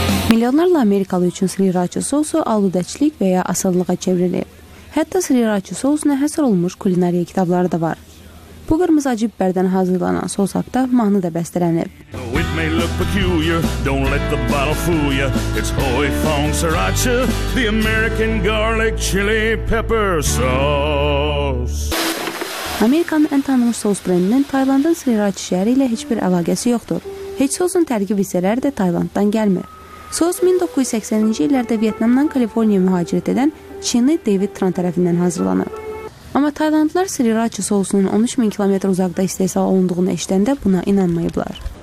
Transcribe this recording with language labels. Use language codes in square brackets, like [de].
[az] Milyonlarla Amerikalı üçün sriracha sosu aludəçilik və ya asadlığa çevrilib. Hətta sriracha sosuna həsr olunmuş kulinariya kitabları da var. Bu qırmızı acı bibərdən hazırlanan sos haqda mahnı da bəstələnib. [en] It may look peculiar, don't let the bottle fool ya. It's Hoi Fong Sriracha, the American garlic chili pepper sauce. [az] Amerikanın ən tanınmış sos brendinin Taylandın Sriracha şəhəri ilə heç bir əlaqəsi yoxdur. Heç sosun tərkib hissələri də Taylanddan gəlmir. Sos 1980-ci illərdə Vietnamdan Kaliforniya mühacirət edən Çinli David Tran tərəfindən hazırlanıb. Amma Taylandlılar Sriracha sosunun 13 min kilometr uzaqda istehsal olunduğunu eşidəndə buna inanmayıblar.